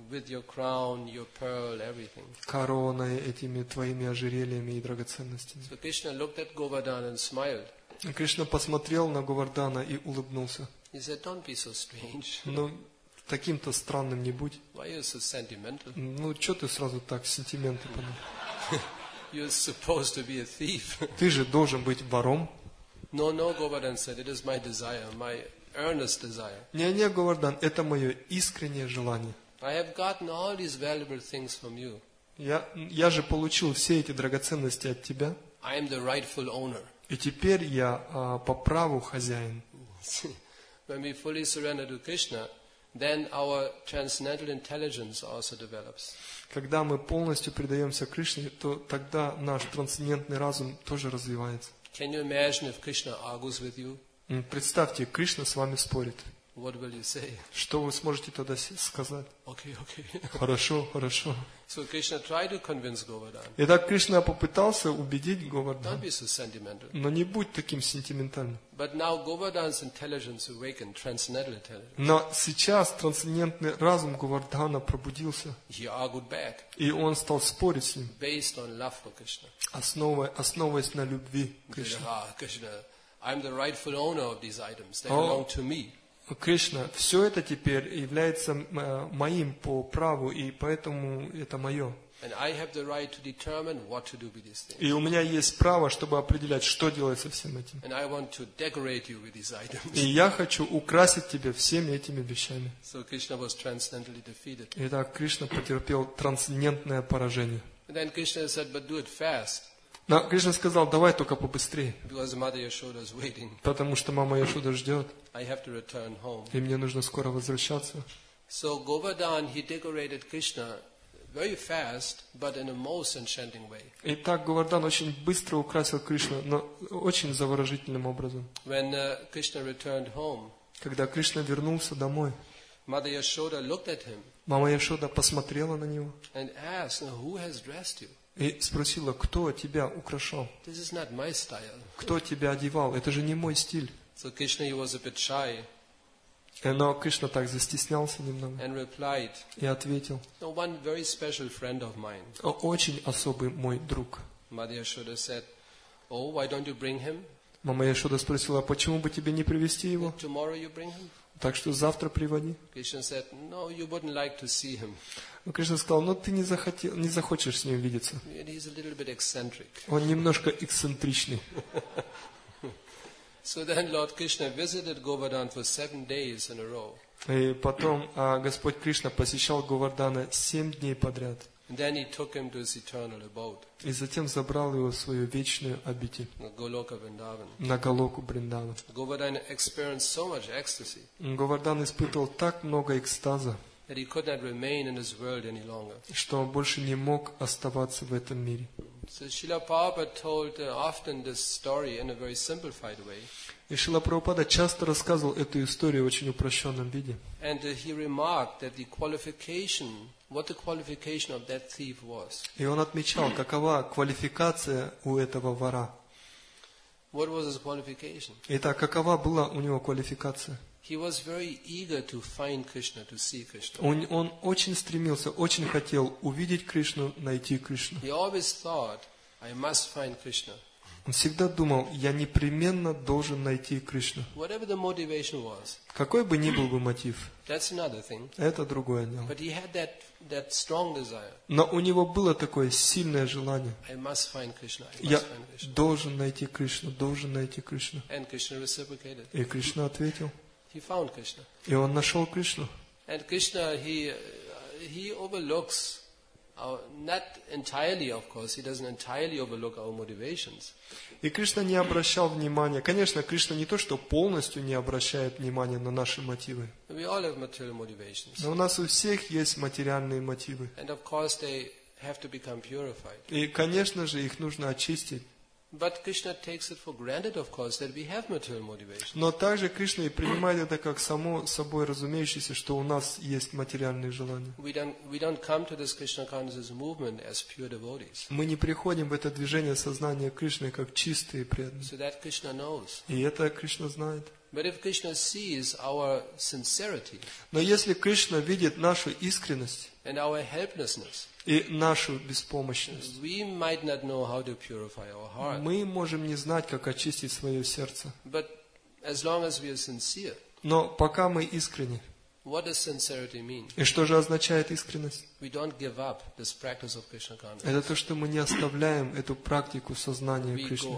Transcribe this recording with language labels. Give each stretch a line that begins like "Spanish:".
English: With your crown, your pearl, everything.
Russian: Короной, этими твоими ожерельями и драгоценностями.
English: So Krishna looked at Govardhan and smiled.
Russian: Кришна посмотрел на Говардана и улыбнулся.
English: He said, "Don't be so strange."
Russian: Таким-то странным не будь.
English: Why are you so sentimental?
Russian: Ну, что ты сразу так сентименты понял?
English: You're supposed to be a thief.
Russian: Ты же должен быть вором.
English: No, Govardhan said, it is my desire, my earnest desire.
Russian: Не, Говардан, это мое искреннее желание.
English: I have gotten all these valuable things from you.
Russian: Я же получил все эти драгоценности от тебя.
English: I am the rightful owner.
Russian: И теперь я по праву хозяин.
English: When we fully surrender to Krishna, then our transcendental intelligence also develops.
Russian: Когда мы полностью предаемся Кришне, то тогда наш трансцендентный разум тоже развивается.
English: Can you imagine if Krishna argues with you?
Russian: Представьте, Кришна с вами спорит.
English: What will you say?
Russian: Что вы сможете тогда сказать?
English: Okay, okay.
Russian: Хорошо, хорошо.
English: So Krishna tried to convince Govardhan.
Russian: Итак, Кришна попытался убедить Говардхан.
English: Don't be so sentimental.
Russian: Но не будь таким сентиментальным.
English: But now Govardhan's intelligence awakened, transcendental intelligence.
Russian: Но сейчас трансцендентный разум Говардхана пробудился.
English: He argued back.
Russian: И он стал спорить с ним.
English: Based on love for Krishna.
Russian: Основываясь на любви Кришне.
English: Krishna, I'm the rightful owner of these items. They belong to me.
Russian: Кришна, все это теперь является моим по праву, и поэтому это мое.
English: And I have the right to determine what to do with these things.
Russian: И у меня есть право, чтобы определять, что делать со всем этим.
English: And I want to decorate you with these items.
Russian: И я хочу украсить тебя всеми этими вещами.
English: So Krishna was transcendentally defeated.
Russian: Итак, Кришна потерпел трансцендентное поражение.
English: And then Krishna said, but do it fast.
Russian: Но Кришна сказал, давай только побыстрее.
English: Because Mother Yashoda is waiting.
Russian: Потому что мама Яшода ждет.
English: I have to return home.
Russian: И мне нужно скоро возвращаться.
English: So Govardhan, he decorated Krishna very fast, but in a most enchanting way.
Russian: Итак, Говардхан очень быстро украсил Кришну, но очень заворожительным образом.
English: When Krishna returned home,
Russian: когда Кришна вернулся домой,
English: Mother Yashoda looked at him.
Russian: Мама Яшода посмотрела на него.
English: And asked, who has dressed you?
Russian: И спросила, кто тебя украшал?
English: This is not my style.
Russian: Кто тебя одевал? Это же не мой стиль.
English: So Krishna, he was a bit shy.
Russian: Но Кришна так застеснялся немного.
English: And replied,
Russian: и ответил.
English: No, one very special friend of mine.
Russian: Очень особый мой друг.
English: Mother Yashoda said, oh, why don't you bring him?
Russian: Мама Яшода спросила, а почему бы тебе не привезти его?
English: Then tomorrow you bring him?
Russian: Так что завтра приводи.
English: Krishna said, no, you wouldn't like to see him.
Russian: Но Кришна сказал, ну ты не захочешь с ним видеться.
English: And he's a little bit eccentric.
Russian: Он немножко эксцентричный.
English: So then Lord Krishna visited Govardhan for 7 days in a row.
Russian: И потом Господь Кришна посещал Говардхана 7 дней подряд.
English: And then he took him to his eternal abode.
Russian: И затем забрал его в свою вечную обитель. Голока Вриндаван. На Голоку Бриндаван.
English: Govardhan experienced so much ecstasy.
Russian: Говардхан испытывал так много экстаза.
English: That he could not remain in this world any longer.
Russian: Что он больше не мог оставаться в этом мире.
English: So Srila Prabhupada told often this story in a very simplified way.
Russian: И Шрила Прабхупада часто рассказывал эту историю в очень упрощенном виде.
English: And he remarked that the qualification, what the qualification of that thief was.
Russian: И он отмечал, какова квалификация у этого вора.
English: What was his qualification?
Russian: Итак, какова была у него квалификация?
English: He was very eager to find Krishna, to see Krishna.
Russian: Он очень стремился, очень хотел увидеть Кришну, найти Кришну.
English: He always thought, I must find Krishna.
Russian: Он всегда думал, я непременно должен найти Кришну.
English: Whatever the motivation was.
Russian: Какой бы ни был бы мотив.
English: That's another thing.
Russian: Это другое дело.
English: But he had that strong desire.
Russian: Но у него было такое сильное желание.
English: I must find Krishna.
Russian: Я должен найти Кришну, должен найти Кришну.
English: And Krishna reciprocated.
Russian: И Кришна ответил.
English: He found Krishna.
Russian: И он нашел Кришну.
English: And Krishna, he overlooks our, not entirely, of course, he doesn't entirely overlook our motivations.
Russian: И Кришна не обращал внимания. Конечно, Кришна не то, что полностью не обращает внимания на наши мотивы.
English: We all have material motivations.
Russian: Но у нас у всех есть материальные мотивы.
English: And of course, they have to become purified.
Russian: И, конечно же, их нужно очистить.
English: But Krishna takes it for granted, of course, that we have material motivations.
Russian: Но также Кришна и принимает это как само собой разумеющееся, что у нас есть материальные желания.
English: We don't come to this Krishna consciousness movement as pure devotees.
Russian: Мы не приходим в это движение сознания Кришны как чистые преданные.
English: So that Krishna knows.
Russian: И это Кришна знает.
English: But if Krishna sees our sincerity.
Russian: Но если Кришна видит нашу искренность.
English: And our helplessness.
Russian: И нашу беспомощность.
English: We might not know how to purify our heart.
Russian: Мы можем не знать, как очистить свое сердце.
English: But as long as we are sincere.
Russian: Но пока мы искренни.
English: What does sincerity mean?
Russian: И что же означает искренность?
English: We don't give up this practice of Krishna consciousness.
Russian: Это то, что мы не оставляем эту практику сознания Кришны.